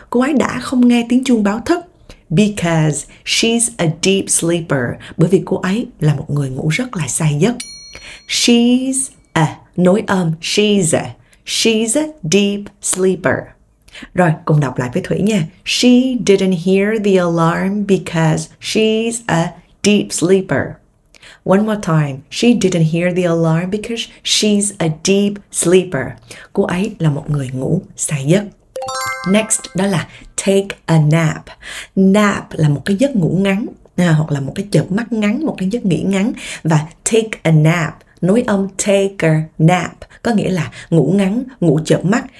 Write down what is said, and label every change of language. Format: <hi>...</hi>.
<vi>Cô ấy đã không nghe tiếng chuông báo thức.</vi> <en>Because she's a deep sleeper.</en> <vi>Bởi vì cô ấy là một người ngủ rất là say giấc. She's a, nối âm she's a,</vi> <en>she's a deep sleeper.</en> <vi>Rồi, cùng đọc lại với Thủy nha.</vi> <en>She didn't hear the alarm because she's a deep sleeper. One more time. She didn't hear the alarm because she's a deep sleeper.</en> <vi>Cô ấy là một người ngủ say giấc. Next đó là</vi> <en>take a nap.</en> <vi>Nap là một cái giấc ngủ ngắn, hoặc là một cái chợp mắt ngắn, một cái giấc nghỉ ngắn. Và take a nap, nối âm take a nap, có nghĩa là ngủ ngắn, ngủ chợp mắt.</vi>